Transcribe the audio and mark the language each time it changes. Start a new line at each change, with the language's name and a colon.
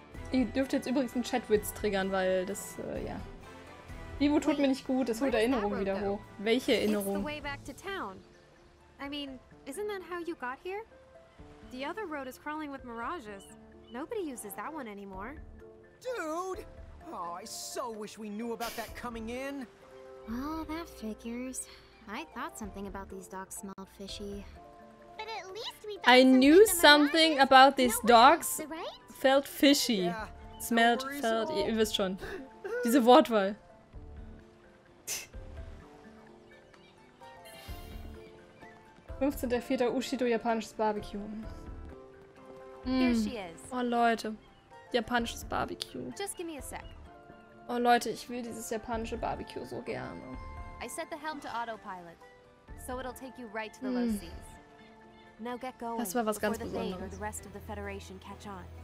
German: Ihr dürft jetzt übrigens einen Chatwitz triggern, weil das, ja. Vivo tut mir nicht gut, es holt Erinnerungen wieder hoch. Welche Erinnerung?
English: It's the way back to town. I mean, isn't that how you got here? The other road is crawling with mirages. Nobody uses that one anymore. Dude! Oh, I so wish we knew about that coming in. Well, that figures. I thought something about these docks smelled fishy. But at least we I knew something about these dogs felt fishy. Yeah. Smelled, no felt,
German: ihr wisst schon. Diese Wortwahl. Der 15.04. Ushido japanisches Barbecue. Oh Leute. Japanisches Barbecue.
English: Just give me a sec.
German: Oh Leute, ich will dieses japanische Barbecue so gerne.
English: I set the helm to autopilot. So it'll take you right to the low seas. Now get going.
German: Das war was ganz Besonderes.
English: Or the rest of the Federation catch on.